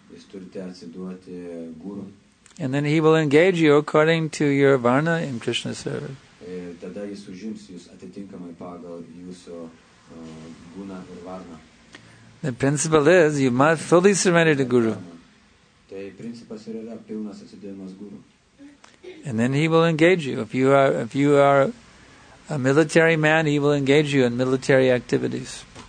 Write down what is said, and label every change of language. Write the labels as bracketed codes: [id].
[lt] Jūs turite atsiduoti Guru. [en] And then he will engage you according to your varna in Krishna's service. [lt] Tada jis užims jūs atitinkamai pagal jūsų guna ir varna. [en] The principle is you must fully surrender to Guru. [lt] Tai principas ir yra pilnas atsidėjimas Guru. [en] And then he will engage you. If you are a military man, he will engage you in military activities.